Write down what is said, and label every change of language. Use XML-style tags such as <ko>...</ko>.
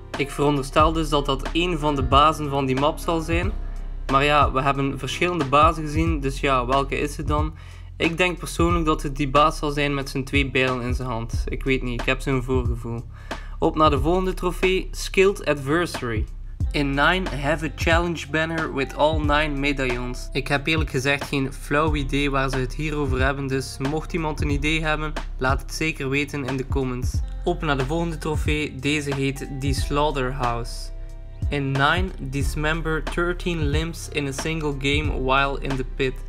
<nl>Ik veronderstel dus dat dat één van de bazen van die map zal zijn. Maar ja, we hebben verschillende bazen gezien, dus ja, welke is het dan? Ik denk persoonlijk dat het die baas zal zijn met zijn twee bijlen in zijn hand. Ik weet niet, ik heb zo'n voorgevoel. Op naar de volgende trofee, Skilled Adversary.</nl> <en>In 9, have a challenge banner with all 9 medaillons.</en> <nl>Ik heb eerlijk gezegd geen flauw idee waar ze het hier over hebben, dus mocht iemand een idee hebben, laat het zeker weten in de comments. Op naar de volgende trofee, deze heet The Slaughterhouse.</nl> <en>In 9, dismember 13 limbs in a single game while in the pit.</en>